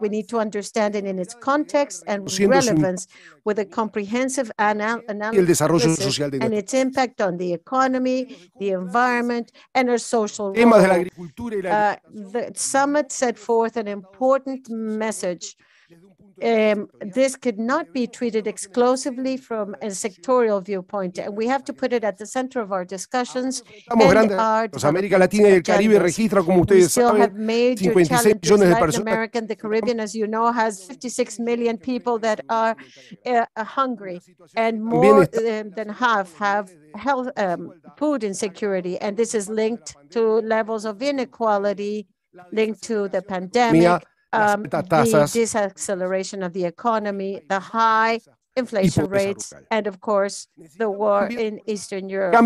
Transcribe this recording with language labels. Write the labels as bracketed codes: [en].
[en] We need to understand it in its context and relevance with a comprehensive analysis and its impact on the economy, the environment, and our social role. The summit set forth an important message. This could not be treated exclusively from a sectorial viewpoint, and we have to put it at the center of our discussions. [es] America Latina y el Caribe registra, como ustedes saben, 56 millones de personas. [en] The Caribbean, as you know, has 56 million people that are hungry, and more than half have health, food insecurity, and this is linked to levels of inequality linked to the pandemic. The deceleration of the economy, the high inflation rates, and of course, the war in Eastern Europe.